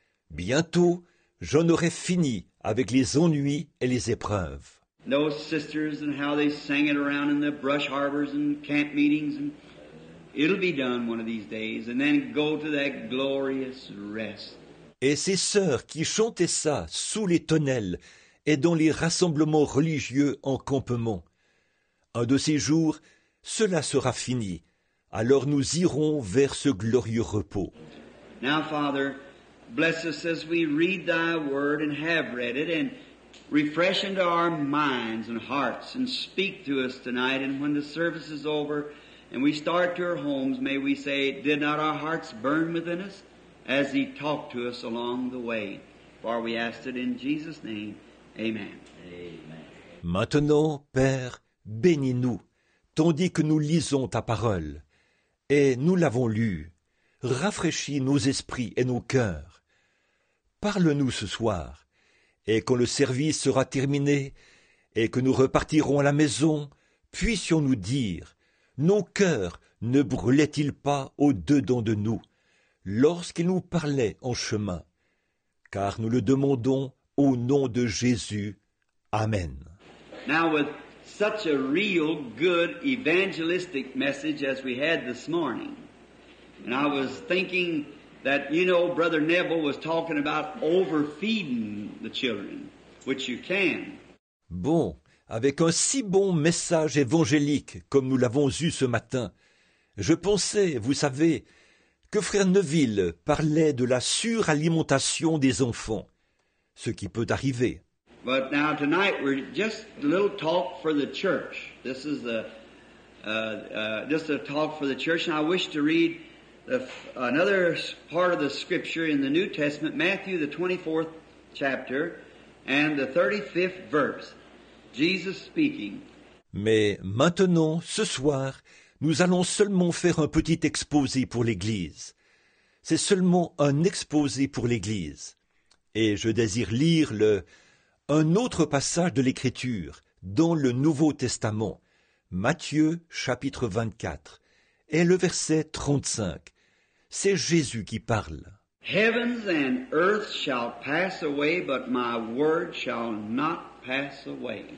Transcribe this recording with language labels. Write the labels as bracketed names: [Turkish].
[French] Bientôt, j'en aurai fini avec les ennuis et les épreuves. [English] Those sisters and how they sang it around in the brush harbors and camp meetings. And it'll be done one of these days and then go to that glorious rest. [French] Et ces sœurs qui chantaient ça sous les tonnelles et dans les rassemblements religieux en campement. Un de ces jours, cela sera fini. Alors nous irons vers ce glorieux repos. [English] Now, Father, bless us as we read thy word and have read it and refresh into our minds and hearts and speak to us tonight. And when the service is over and we start to our homes, may we say, did not our hearts burn within us as he talked to us along the way? For we ask it in Jesus' name. Amen. Amen. [French] Maintenant, Père, bénis-nous, tandis que nous lisons ta parole. Et nous l'avons lue. Rafraîchis nos esprits et nos cœurs. Parle-nous ce soir. Et quand le service sera terminé et que nous repartirons à la maison, puissions-nous dire, nos cœurs ne brûlaient-ils pas au-dedans de nous lorsqu'il nous parlait en chemin? Car nous le demandons au nom de Jésus. Amen. [English] Now with such a real good evangelistic message as we had this morning, and I was thinking that, you know, Brother Neville was talking about overfeeding the children, which you can. [French] Bon, avec un si bon message évangélique comme nous l'avons eu ce matin, je pensais, vous savez, que Frère Neville parlait de la suralimentation des enfants, ce qui peut arriver. [English] But now tonight we're just a little talk for the church. This is the just a talk for the church, and I wish to read another part of the scripture in the New Testament, Matthew, the 24th chapter, and the 35th verse, Jesus speaking. [French] Mais maintenant, ce soir, nous allons seulement faire un petit exposé pour l'Église. C'est seulement un exposé pour l'Église. Et je désire lire un autre passage de l'Écriture dans le Nouveau Testament, Matthieu chapitre 24 et le verset 35. C'est Jésus qui parle. [English] Heavens and earth shall pass away, but my word shall not pass away.